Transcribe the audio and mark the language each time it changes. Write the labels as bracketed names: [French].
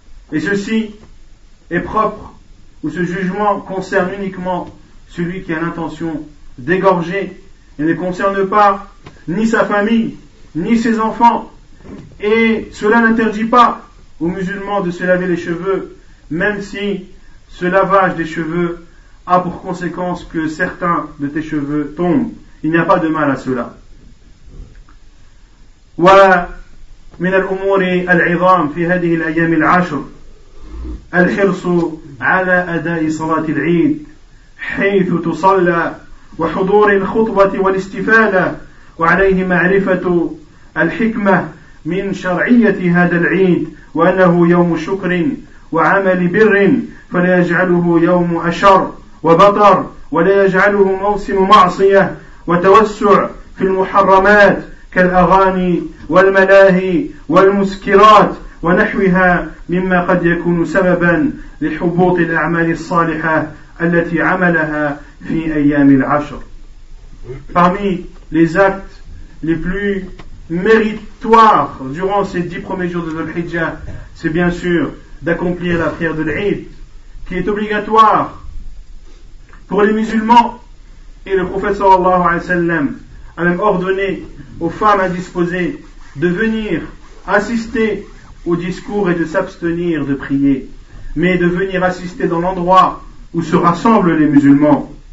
[French] Et ceci est propre, ou ce jugement concerne uniquement celui qui a l'intention d'égorger et ne concerne pas ni sa famille ni ses enfants. Et cela n'interdit pas aux musulmans de se laver les cheveux, même si ce lavage des cheveux a pour conséquence que certains de tes cheveux tombent. Il n'y a pas de mal à cela. [Arabic] Voilà, من الأمور العظام في هذه الأيام العشر الحرص على أداء صلاة العيد حيث تصلى وحضور الخطبة والاستفادة وعليه معرفة الحكمة من شرعية هذا العيد وأنه يوم شكر وعمل بر فلا يجعله يوم أشر وبطر ولا يجعله موسم معصية وتوسع في المحرمات كالأغاني والملاهي والمسكرات ونحوها مما قد يكون سببا لحبوط الأعمال الصالحة التي عملها في أيام العشر. [French] Parmi les actes les plus méritoires durant ces 10 premiers jours de Dhul-Hijja, c'est bien sûr d'accomplir la prière de l'Eid, qui est obligatoire pour les musulmans. Et le prophète sallallahu alayhi wa sallam a même ordonné aux femmes indisposées de venir assister au discours et de s'abstenir de prier, mais de venir assister dans l'endroit où se rassemblent les musulmans.